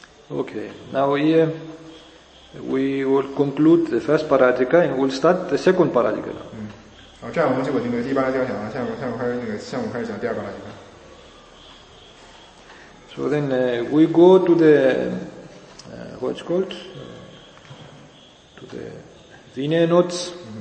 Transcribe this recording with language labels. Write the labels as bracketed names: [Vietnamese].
[English] Okay, now here we will conclude the first parajika and we'll start the second parajika. [Chinese] 这样我们就把第八章讲完，下面开始讲第二章。 [English] So then we go to the what's called to the Vinaya notes.